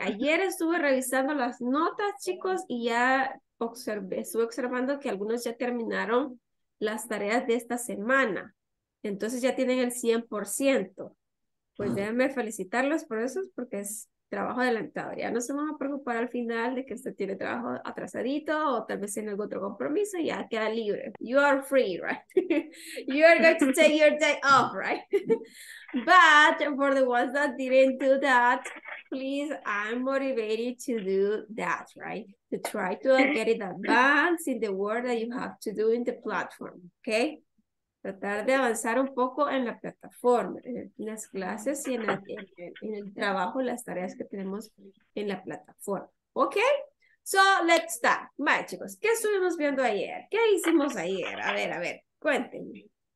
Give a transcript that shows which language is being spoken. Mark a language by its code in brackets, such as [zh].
[es] Ayer estuve revisando las notas, chicos, y ya estuve observando que algunos ya terminaron las tareas de esta semana. Entonces ya tienen el 100%. Pues déjenme felicitarlos por eso, porque es trabajo adelantado. Ya no se van a preocupar al final de que usted tiene trabajo atrasadito o tal vez tiene algún otro compromiso y ya queda libre. [en] You are free, right? You are going to take your day off, right? But for the ones that didn't do that, please, I'm motivated to do that, right? To try to get it advanced in the work that you have to do in the platform, okay? [es] Tratar de avanzar un poco en la plataforma, en las clases y en el trabajo, las tareas que tenemos en la plataforma. ¿Ok? [en] So, let's start. [es] Vale, chicos, ¿qué estuvimos viendo ayer? ¿Qué hicimos ayer? A ver, cuéntenme.